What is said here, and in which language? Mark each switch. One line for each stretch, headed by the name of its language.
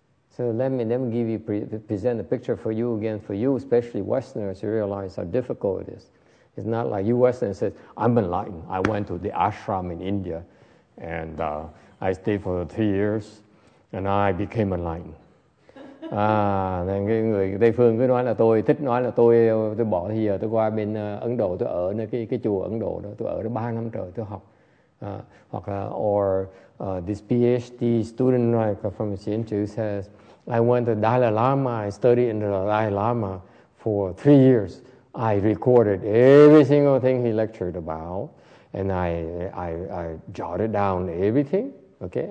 English: So let me give you present a picture for you again, for you especially Westerners, you realize how difficult it is. It's not like you Westerners say, I'm enlightened. I went to the ashram in India and I stayed for 3 years and I became enlightened.
Vietnamese: À, cái người Tây Phương cứ nói là tôi thích nói là tôi bỏ thì giờ tôi qua bên Ấn Độ, tôi ở nơi cái chùa Ấn Độ đó, tôi ở đó 3 năm trời tôi học.
English: This PhD student like from Hsinchu says, I went to Dalai Lama, I studied in the Dalai Lama for 3 years. I recorded every single thing he lectured about, and I jotted down everything, okay?